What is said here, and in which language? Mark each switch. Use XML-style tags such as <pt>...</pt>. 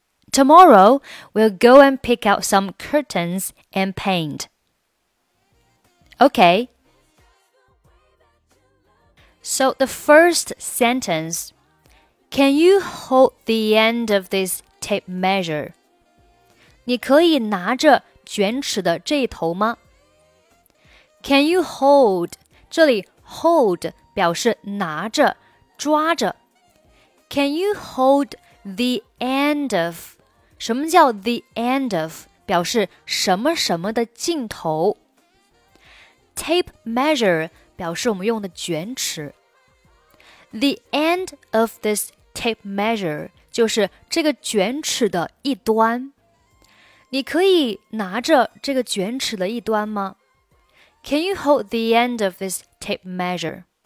<en>Tomorrow, we'll go and pick out some curtains and paint. Okay. So the first sentence, can you hold the end of this tape measure?</en> <zh>你可以拿着卷尺的这一头吗 ? Can you hold? 这里 hold 表示拿着、抓着。</zh> <en>Can you hold the end of?</en> <zh>什么叫 the end of? 表示什么什么的尽头。 Tape measure 表示我们用的卷尺。 The end of this tape measure 就是这个卷尺的一端。你可以拿着这个卷尺的一端吗</zh> <en>?Can you hold the end of this tape measure?</en>